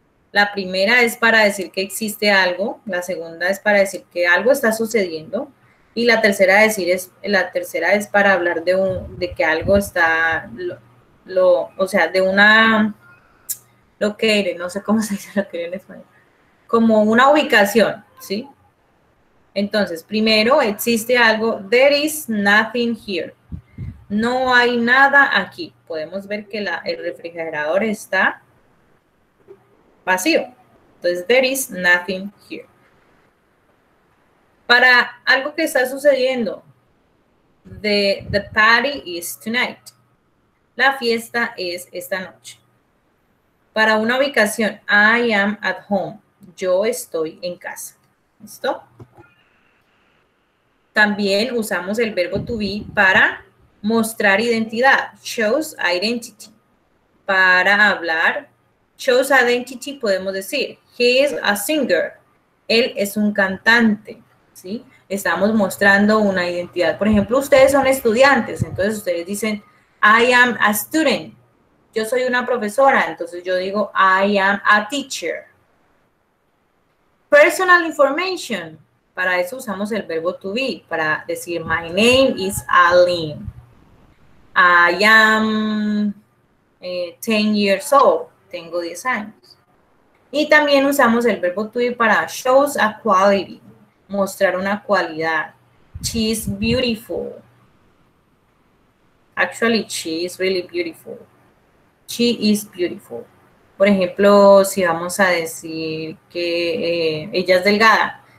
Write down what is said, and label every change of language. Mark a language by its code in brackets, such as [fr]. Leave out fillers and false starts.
[es] La primera es para decir que existe algo, la segunda es para decir que algo está sucediendo y la tercera es para hablar de que algo está, o sea, de una, lo que eres, no sé cómo se dice lo que eres en español, como una ubicación, ¿sí? Entonces, primero existe algo, [en] there is nothing here. [es] No hay nada aquí. Podemos ver que el refrigerador está vacío. [en] Entonces, there is nothing here. [es] Para algo que está sucediendo, [en] the party is tonight. [es] La fiesta es esta noche. Para una ubicación, [en] I am at home. [es] Yo estoy en casa. ¿Listo? También usamos el verbo to be para mostrar identidad. [en] Shows identity. [es] Para hablar, [en] shows identity [es] podemos decir, [en] he is a singer. [es] Él es un cantante. ¿Sí? Estamos mostrando una identidad. Por ejemplo, ustedes son estudiantes. Entonces, ustedes dicen, [en] I am a student. [es] Yo soy una profesora. Entonces, yo digo, [en] I am a teacher. Personal information. [es] Para eso usamos el verbo to be, para decir, [en] my name is Aline. I am 10 years old. [es] Tengo 10 años. Y también usamos el verbo to be para [en] shows a quality. [es] Mostrar una cualidad. [en] She is beautiful. Actually, she is really beautiful. She is beautiful. [es] Por ejemplo, si vamos a decir que ella es delgada.